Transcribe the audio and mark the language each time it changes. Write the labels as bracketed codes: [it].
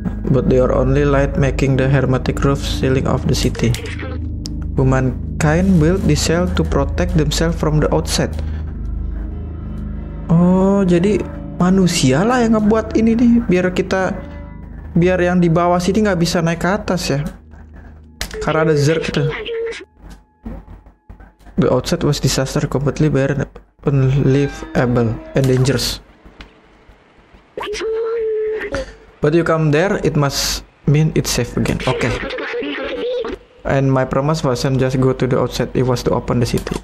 [en] But they are only light making the hermetic roof ceiling of the city. Humankind built the cell to protect themselves from the outside. [id] Jadi manusialah yang ngebuat ini nih, biar yang di bawah sini nggak bisa naik ke atas ya. Karena ada zerg tuh. [en] The outside was disaster, completely barren, unlivable, and dangerous. But you come there, it must mean it's safe again. Okay. And my promise wasn't just go to the outside, it was to open the city.